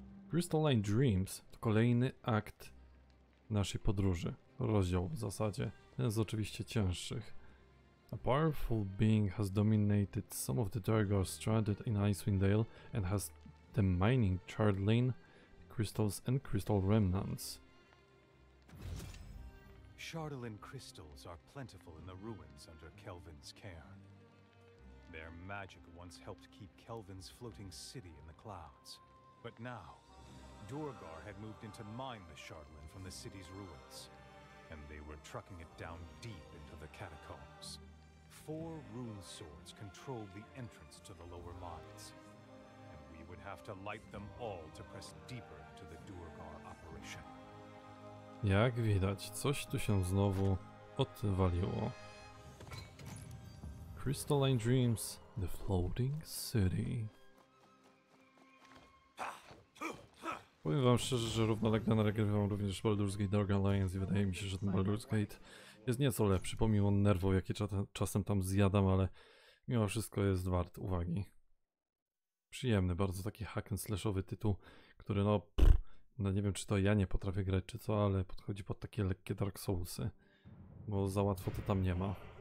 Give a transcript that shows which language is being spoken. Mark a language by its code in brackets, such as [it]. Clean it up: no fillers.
[pl] Crystalline Dreams to kolejny akt naszej podróży. Rozdział w zasadzie. Jeden z oczywiście cięższych. [en] A powerful being has dominated some of the Dargars stranded in Icewind Dale and has the mining chardlin, crystals and crystal remnants. Chardlin crystals are plentiful in the ruins under Kelvin's care. Their magic once helped keep Kelvin's floating city in the clouds. But now, Duergar had moved in to mine the Chardlin from the city's ruins, and they were trucking it down deep into the catacombs. Four rune swords controlled the entrance to the lower mines, and we would have to light them all to press deeper into the Duergar operation. [pl] Jak widać, coś tu się znowu odwaliło. [en] Crystalline Dreams, the floating city. [pl] Powiem wam szczerze, że równolegle nagrywam również Baldur's Gate Dark Alliance i wydaje mi się, że ten Baldur's Gate jest nieco lepszy, pomimo nerwów, jakie czasem tam zjadam, ale mimo wszystko jest wart uwagi. Przyjemny, bardzo taki hack and slashowy tytuł, który no nie wiem, czy to ja nie potrafię grać, czy co, ale podchodzi pod takie lekkie Dark Soulsy, bo za łatwo to tam nie ma.